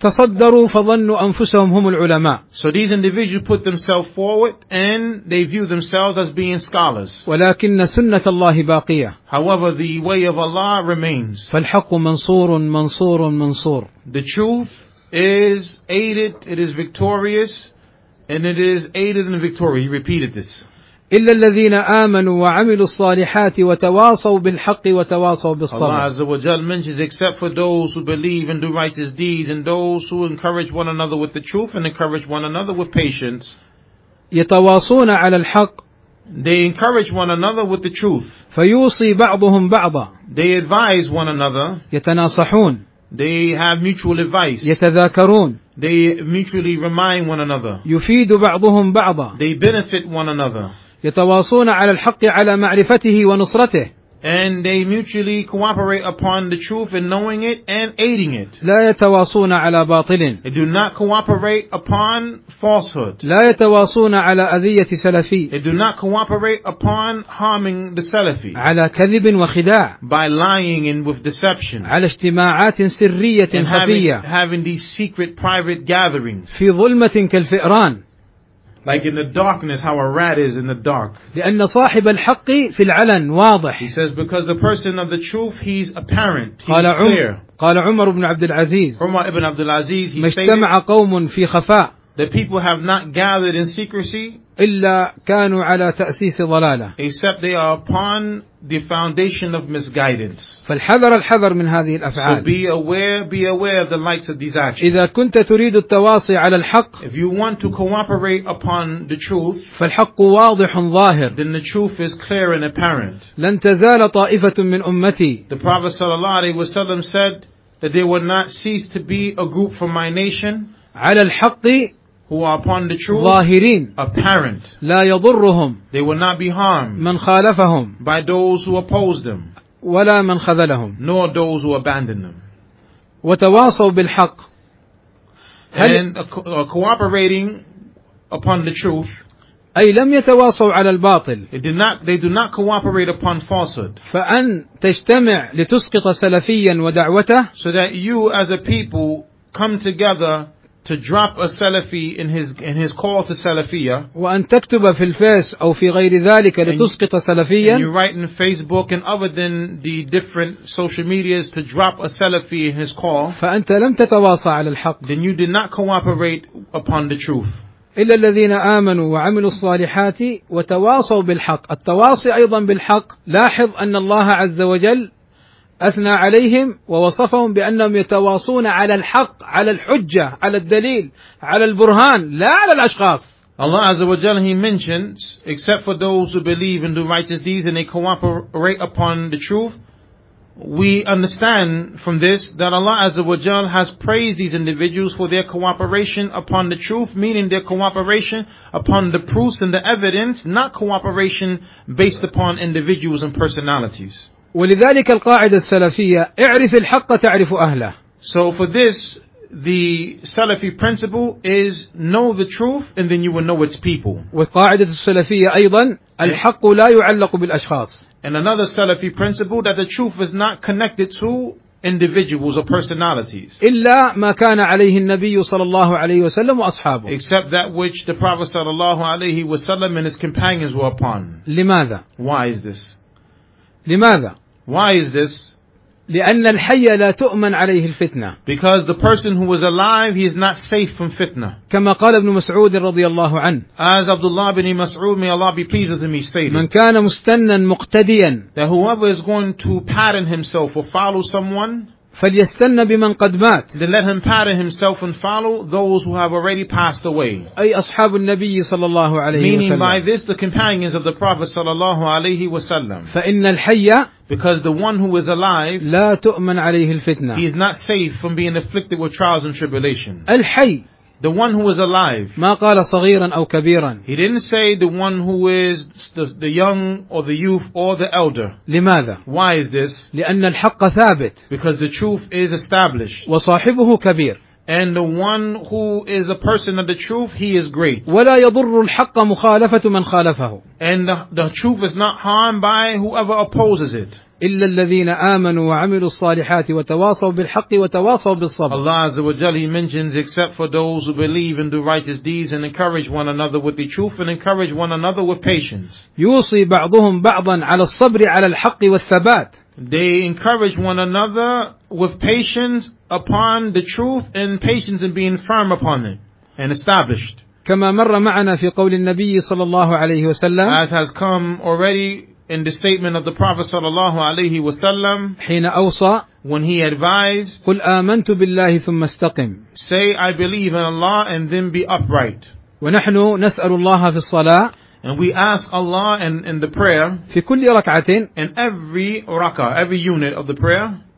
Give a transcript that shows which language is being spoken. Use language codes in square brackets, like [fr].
[ar] تصدروا فظنوا أنفسهم هم العلماء. [en] So these individuals put themselves forward, and they view themselves as being scholars. [ar] ولكن سنة الله باقية. [en] However, the way of Allah remains. [ar] فالحق منصور منصور منصور. [en] The truth is aided, it is victorious, and it is aided in victory. He repeated this. [ar] إلا الذين آمنوا وعملوا الصالحات وتواصوا بالحق وتواصوا بالصبر. [en] Allah Azza wa Jal mentions, except for those who believe and do righteous deeds and those who encourage one another with the truth and encourage one another with patience. [ar] يتواصون على الحق. [en] They encourage one another with the truth. [ar] فيوصي بعضهم بعضا. [en] They advise one another. [ar] يتناصحون. [en] They have mutual advice. [ar] يتذاكرون. [en] They mutually remind one another. [ar] يفيد بعضهم بعضا. [en] They benefit one another. [ar] يتواصون على الحق على معرفته ونصرته. [en] And they mutually cooperate upon the truth and knowing it and aiding it. [ar] لا يتواصون على باطل. [en] They do not cooperate upon falsehood. [ar] لا يتواصون على أذية سلفي. [en] They do not cooperate upon harming the Salafi. [ar] على كذب وخداع. [en] By lying and with deception. [ar] على اجتماعات سرية خفية. [en] Having these secret private gatherings. [ar] في ظلمة كالفئران. [en] Like in the darkness, how a rat is in the dark. [ar] لأن صاحب الحق في العلن واضح. [en] He says because the person of the truth, he's apparent. He's [ar] قال [en] clear. [ar] عمر قال عمر بن عبد العزيز. عمر بن عبد العزيز. مجتمع قوم في خفاء. [en] The people have not gathered in secrecy. [ar] إلا كانوا على تأسيس ضلالة. [en] Except they are upon the foundation of misguidance. [ar] فالحذر الحذر من هذه الأفعال. [en] So be aware of the likes of these actions. [ar] إذا كنت تريد التواصي على الحق. [en] If you want to cooperate upon the truth. [ar] فالحق واضح ظاهر. [en] Then the truth is clear and apparent. [ar] لن تزال طائفة من أمتي. [en] The Prophet [ar] صلى الله عليه وسلم [en] said that they will not cease to be a group from my nation. [ar] على الحق [en] who are upon the truth, [ar] ظاهرين [en] apparent. [ar] لا يضرهم [en] they will not be harmed [ar] من خالفهم [en] by those who oppose them [ar] ولا من خذلهم [en] nor those who abandon them. [ar] وتواصوا بالحق [en] and cooperating upon the truth [ar] أي لم يتواصوا على الباطل [en] they do not cooperate upon falsehood. [ar] فأن تجتمع لتسقط سلفيا ودعوته [en] so that you as a people come together to drop a Salafi in his call to Salafiyya. [ar] وأن تكتب في الفيس أو في غير ذلك لتسقط سلفيا. [en] And you write in Facebook and other than the different social medias to drop a Salafi in his call. [ar] فأنت لم تتواصى على الحق. [en] Then you did not cooperate upon the truth. [ar] إلا الذين آمنوا وعملوا الصالحات وتواصوا بالحق. التواصي أيضا بالحق. لاحظ أن الله عز وجل أثنى عليهم ووصفهم بأنهم يتواصون على الحق على الحجة على الدليل على البرهان لا على الأشخاص. [en] Allah Azza wa Jalla He mentions except for those who believe and do righteous deeds and they cooperate upon the truth. We understand from this that Allah Azza wa Jalla has praised these individuals for their cooperation upon the truth, meaning their cooperation upon the proofs and the evidence, not cooperation based upon individuals and personalities. [ar] ولذلك القاعدة السلفية اعرف الحق تعرف أهله. [en] So for this, the Salafi principle is know the truth and then you will know its people. [ar] والقاعدة السلفية أيضا الحق لا يعلق بالأشخاص. [en] And another Salafi principle that the truth is not connected to individuals or personalities. [ar] إلا ما كان عليه النبي صلى الله عليه وسلم وأصحابه. [en] Except that which the Prophet [ar] صلى الله عليه وسلم [en] and his companions were upon. [ar] لماذا؟ [en] Why is this? [ar] لماذا؟ [en] Why is this? [ar] لأن الحي لا تؤمن عليه الفتنة. [en] Because the person who was alive, he is not safe from fitna. [ar] كما قال ابن مسعود رضي الله عنه. [en] As Abdullah bin Mas'ud, may Allah be pleased with him, he stated. [ar] من كان مستنا مقتديا. [en] That whoever is going to pattern himself or follow someone. [ar] فليستن بمن قد مات. [en] Then let him pattern himself and follow those who have already passed away. [ar] أي أصحاب النبي صلى الله عليه [en] Meaning [ar] وسلم. [en] Meaning by this the companions of the Prophet [ar] صلى الله عليه وسلم. فإن الحي. [en] Because the one who is alive. [ar] لا تؤمن عليه الفتنة. [en] He is not safe from being afflicted with trials and tribulation. [ar] الحي. [en] The one who is alive. [ar] ما قال صغيرا أو كبيرا. [en] He didn't say the one who is the young or the youth or the elder. [ar] لماذا؟ [en] Why is this? [ar] لأن الحق ثابت. [en] Because the truth is established. [ar] وصاحبه كبير. [en] And the one who is a person of the truth, he is great. [ar] ولا يضر الحق مخالفة من خالفه. [en] And the truth is not harmed by whoever opposes it. [ar] إلا الذين آمنوا وعملوا الصالحات وتواصوا بالحق وتواصوا بالصبر. [en] Allah Azza wa Jalla mentions except for those who believe and do righteous deeds and encourage one another with the truth and encourage one another with patience. [ar] يوصي بعضهم بعضا على الصبر على الحق والثبات. [en] They encourage one another with patience upon the truth and patience in being firm upon it and established. [ar] كما مر معنا في قول النبي صلى الله عليه وسلم. [en] As has come already in the statement of the Prophet [ar] صلى الله عليه وسلم حين أوصى [en] when he advised [ar] قل آمنت بالله ثم استقم [en] say I believe in Allah and then be upright [ar] ونحن نسأل الله في الصلاة [en] and we ask Allah in the prayer [ar] في كل ركعة [en] in every ركعة every unit of the prayer